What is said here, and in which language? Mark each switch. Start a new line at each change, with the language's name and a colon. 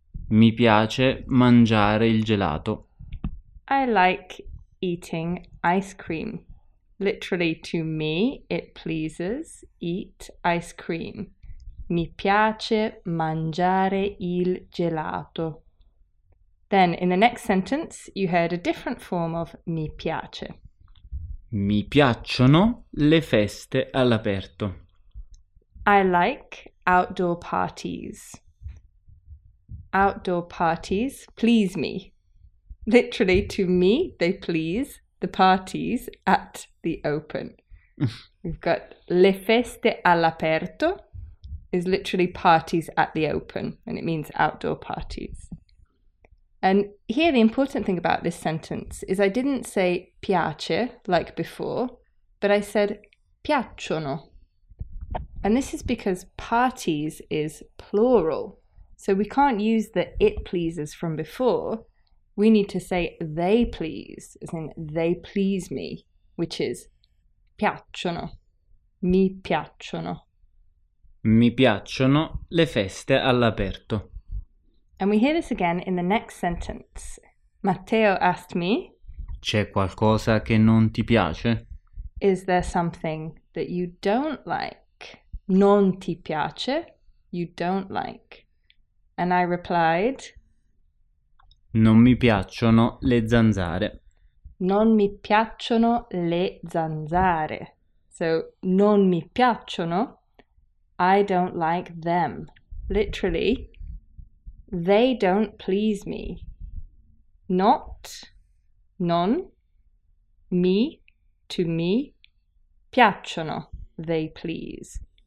Italian: Mi piace mangiare il gelato.
English: I like eating ice cream. Literally, to me, it pleases eat ice cream.
Italian: Mi piace mangiare il gelato.
English: Then, in the next sentence, you heard a different form of
Italian: mi piace. Mi piacciono le feste all'aperto.
English: I like outdoor parties. Outdoor parties please me. Literally, to me, they please the parties at the open. We've got
Italian: le feste all'aperto
English: is literally parties at the open, and it means outdoor parties. And here the important thing about this sentence is I didn't say piace like before, but I said piacciono. And this is because parties is plural. So we can't use the it pleases from before. We need to say they please, as in they please me. which is
Italian: piacciono, mi piacciono. Mi piacciono le feste all'aperto.
English: And we hear this again in the next sentence. Matteo asked me.
Italian: C'è qualcosa che non ti piace?
English: Is there something that you don't like?
Italian: Non ti piace?
English: You don't like? And I replied.
Italian: Non mi piacciono le zanzare. Non mi piacciono le zanzare.
English: So,
Italian: non mi piacciono.
English: I don't like them. Literally, they don't please me. Not, non, mi, to me, piacciono, they please.